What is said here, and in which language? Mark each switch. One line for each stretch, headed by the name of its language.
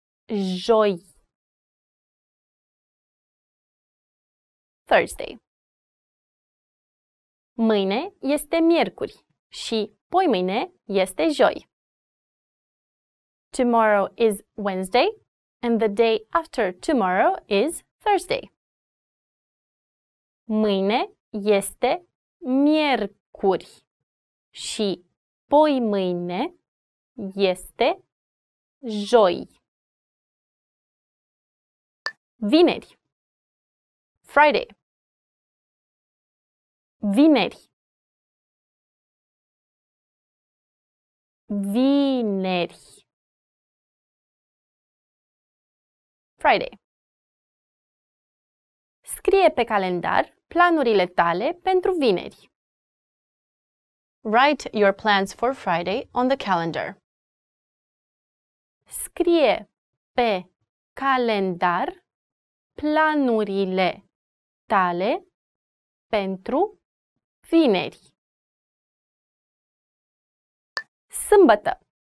Romanian: Joi.
English: Thursday.
Romanian: Mâine este miercuri și poimâine este joi.
English: Tomorrow is Wednesday and the day after tomorrow is Thursday.
Romanian: Mâine este miercuri și poimâine este joi. Vineri.
English: Friday.
Romanian: Vineri. Vineri.
English: Friday.
Romanian: Scrie pe calendar planurile tale pentru vineri.
English: Write your plans for Friday on the calendar.
Romanian: Scrie pe calendar planurile tale pentru vineri. Sâmbătă.